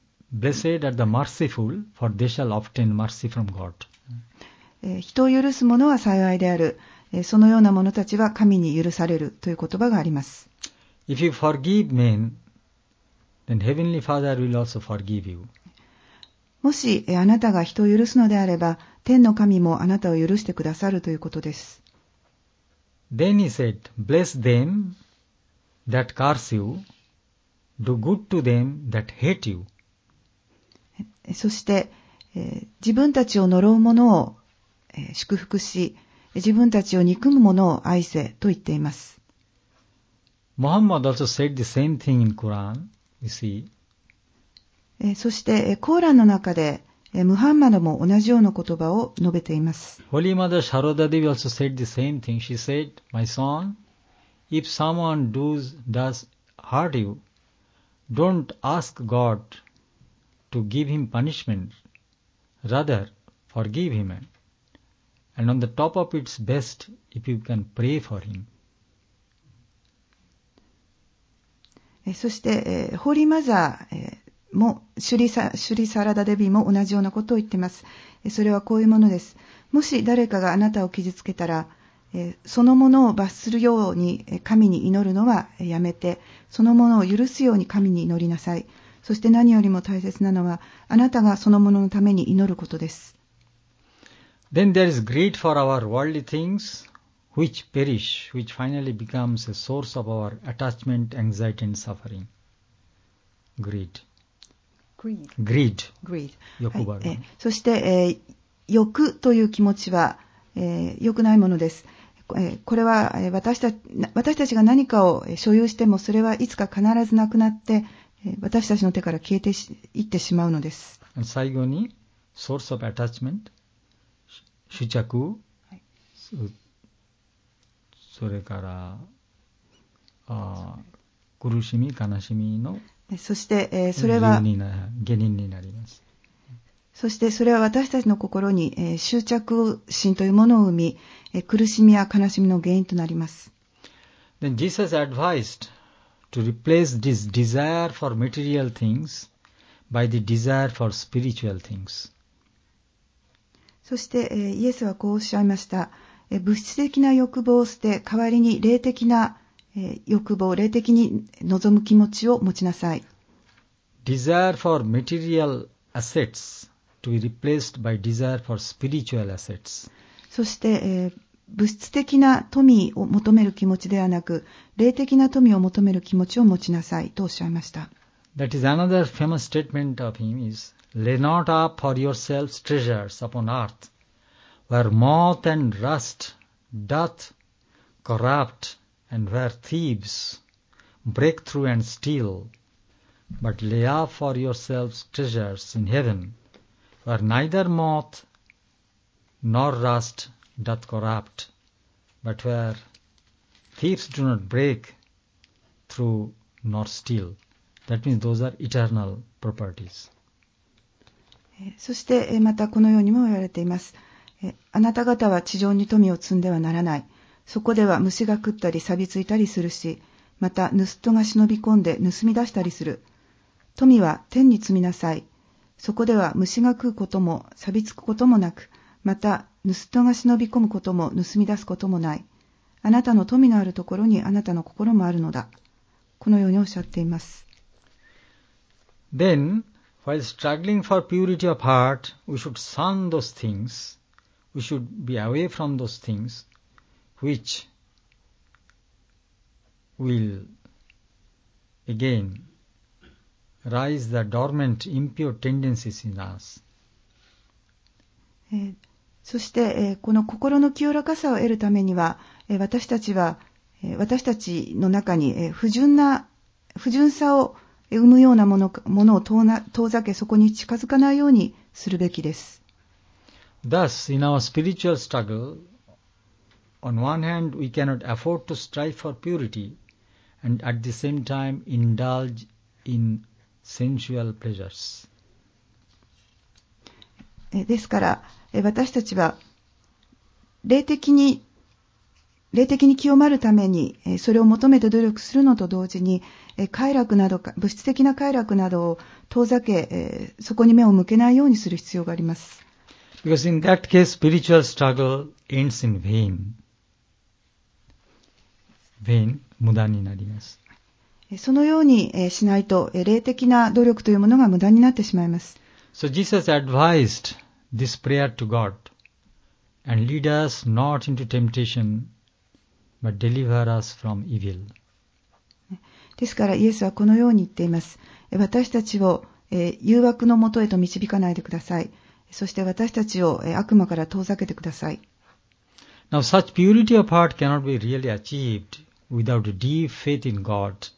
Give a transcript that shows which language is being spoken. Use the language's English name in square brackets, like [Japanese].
[English] Blessed are the merciful, for they shall obtain mercy from God. [Japanese] 人を許す者は幸いである。そのような者たちは神に許されるという言葉があります。 [English] If you forgive men, then Heavenly Father will also forgive you. [Japanese] もしあなたが人を許すのであれば、天の神もあなたを許してくださるということです。 [English] Then he said, Bless them that curse you, do good to them that hate you. [Japanese] そして、自分たちを呪う者を祝福し、自分たちを憎む者を愛せと言っています。 [English] モハンマド also said the same thing in Quran, you see. [Japanese] そしてコーランの中でムハンマドも同じような言葉を述べています。 [English] Holy Mother Sharada Devi also said the same thing. She said, My son, if someone does hurt you, don't ask God to give him punishment, rather forgive himAnd on the top of its best, if you can pray for him. [Japanese] そして、ホーリーマザーもシュリサラダデビも同じようなことを言っています。それはこういうものです。もし誰かがあなたを傷つけたら、そのものを罰するように神に祈るのはやめて、そのものを許すように神に祈りなさい。そして何よりも大切なのは、あなたがそのもののために祈ることです。 [English] Then there is greed for our worldly things, which perish, which finally becomes a source of our attachment, anxiety and suffering. Greed. Greed. Greed. [Japanese] 欲張る、ね。そして、欲という気持ちは、良くないものです。これは、私たちが何かを所有しても、それはいつか必ずなくなって、私たちの手から消えていってしまうのです。最後に、 [English] source of attachment、 [Japanese] 執着、はい、それから、苦しみ、悲しみの、そして、それは原因になります。そしてそれは私たちの心に、執着心というものを生み、苦しみや悲しみの原因となります。 [English] Then Jesus advised to replace this desire for material things by the desire for spiritual things. [Japanese] そして、イエスはこうおっしゃいました。物質的な欲望を捨て、代わりに霊的な、欲望、霊的に望む気持ちを持ちなさい。 [English] Desire for material assets. To be replaced by desire for spiritual assets. [Japanese] そして、物質的な富を求める気持ちではなく、霊的な富を求める気持ちを持ちなさいとおっしゃいました。 [English] That is another famous statement of him is, lay not up for yourselves treasures upon earth, where moth and rust doth corrupt, and where thieves break through and steal, but lay up for yourselves treasures in heaven. Where neither moth nor rust doth corrupt, but where thieves do not break through nor steal. That means those are eternal properties. [Japanese] そしてまたこのようにも言われています。あなた方は地上に富を積んではならない。そこでは虫が食ったり錆びついたりするし、また盗人が忍び込んで盗み出したりする。富は天に積みなさい。そこでは虫が食うことも錆びつくこともなく、また盗人が忍び込むことも盗み出すこともない。あなたの富のあるところにあなたの心もあるのだ。このようにおっしゃっています。 [English] Then, while struggling for purity of heart, we should shun those things. We should be away from those things which will again. Rise the dormant impure tendencies in us. [Japanese] そして、この心の清らかさを得るためには、私たちは、私たちの中に、不純さを生むようなものを遠ざけ、そこに近づかないようにするべきです。 [English] Thus, in our spiritual struggle, on one hand, we cannot afford to strive for purity, and at the same time, indulge inSensual pleasures. [Japanese] ですから私たちは霊的に清まるためにそれを求めて努力するのと同時に快楽など物質的な快楽などを遠ざけそこに目を向けないようにする必要があります。 [English] Because in that case, spiritual struggle ends in vain. [Japanese] Vain, 無駄になります。そのようにしないと霊的な努力というものが無駄になってしまいます。 [English] So Jesus advised this prayer to God and lead us not into temptation but deliver us from evil. [Japanese] ですからイエスはこのように言っています。私たちを誘惑のもとへと導かないでください。そして私たちを悪魔から遠ざけてください。 [English] Now such purity of heart cannot be really achieved without deep faith in God.